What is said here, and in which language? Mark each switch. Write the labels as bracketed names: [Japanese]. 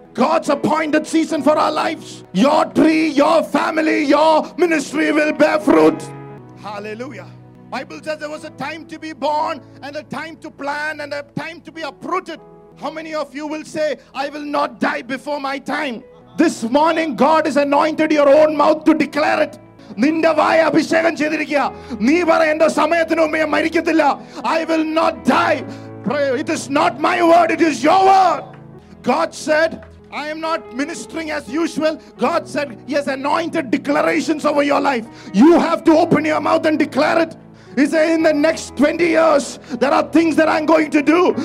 [English] God's appointed season for our lives. Your tree, your family, your ministry will bear fruit. Hallelujah. Bible says there was a time to be born and a time to plan and a time to be uprooted. How many of you will say, I will not die before my time? This morning, God has anointed your own mouth to declare it. [Malayalam] നിന്റെ വായ അഭിഷേകം ചെയ്തിരിക്കുക. നീ പറ എന്റെ സമയത്തിന് മുമ്പേ മരിക്കത്തില്ല. [English] I will not die. It is not my word, it is your word. God said, I am not ministering as usual. God said, He has anointed declarations over your life. You have to open your mouth and declare it. He said, in the next 20 years, there are things that I'm going to do.